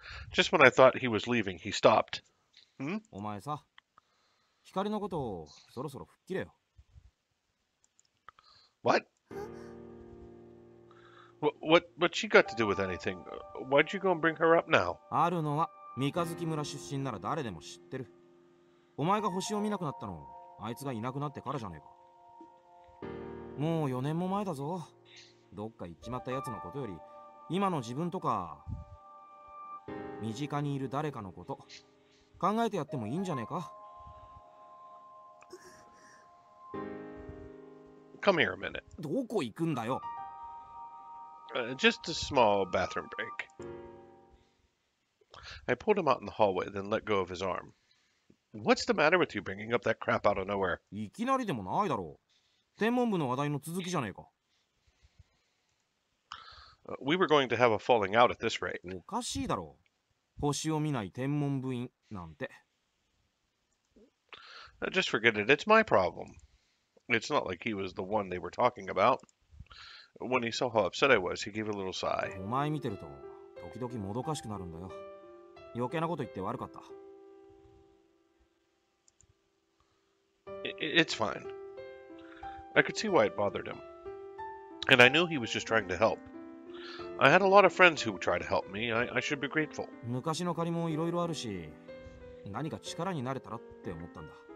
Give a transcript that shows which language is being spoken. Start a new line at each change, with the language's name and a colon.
English: Just when I thought he was leaving, he stopped.
Japanese: Hmm? Omae sa, Hikari no koto soro soro fukkire yo.
English: What? What's she got to do with anything? Why'd you go and bring her up now?
Japanese: あるのは、三日月村出身なら誰でも知ってる。お前が星を見なくなったの、あいつがいなくなってからじゃねえか。もう4年も前だぞ。どっか行っちまった奴のことより、今の自分とか、身近にいる誰かのこと、考えてやってもいいんじゃねえか。
English: Come here a minute.
Japanese: どこ行くんだよ。
English: Just a small bathroom break. I pulled him out in the hallway, then let go of his arm. What's the matter with you bringing up that crap out of nowhere?
Japanese: いきなりでもないだろう。天文部の話題の続きじゃねえか。
English: We were going to have a falling out at this rate.
Japanese: おかしいだろう。星を見ない天文部員なんて。
English: Just forget it. It's my problem. It's not like he was the one they were talking about. When he saw how upset I was, he gave a little sigh.
Japanese: お前見てると、時々もどかしくなるんだよ。余計なこと言って悪かった。
English: It's fine. I could see why it bothered him. And I knew he was just trying to help. I had a lot of friends who would try to help me. I should be grateful.
Japanese: 昔の借りもいろいろあるし、何か力になれたらって思ったんだ。